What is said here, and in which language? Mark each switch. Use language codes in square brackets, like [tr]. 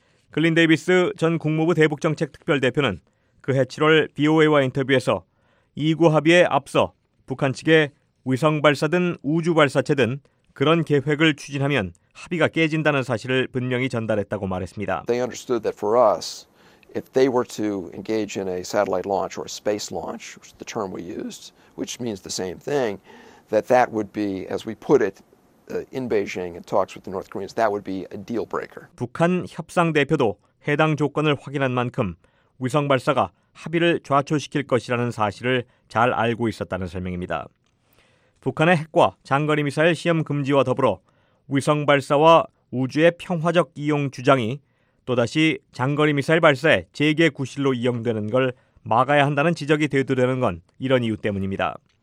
[ko] 글린 데이비스 전 국무부 대북정책특별대표는 그해 7월 BOA와 인터뷰에서 2.29 합의에 앞서 북한 측에 위성 발사든 우주 발사체든 그런 계획을 추진하면 합의가 깨진다는 사실을 분명히 전달했다고 말했습니다. [en] They understood that for us, if they were to engage in a satellite launch or a space launch, which is the term we used, which means the same thing, that that would be, as we put it, in Beijing and talks with the North Koreans, that would be a deal breaker. [ko] 북한 협상 대표도 해당 조건을 확인한 만큼 위성 발사가 합의를 좌초시킬 것이라는 사실을 잘 알고 있었다는 설명입니다. 북한의 핵과 장거리 미사일 시험 금지와 더불어 위성 발사와 우주의 평화적 이용 주장이 또다시 장거리 미사일 발사의 재개 구실로 이용되는 걸 막아야 한다는 지적이 대두되는 건 이런 이유 때문입니다.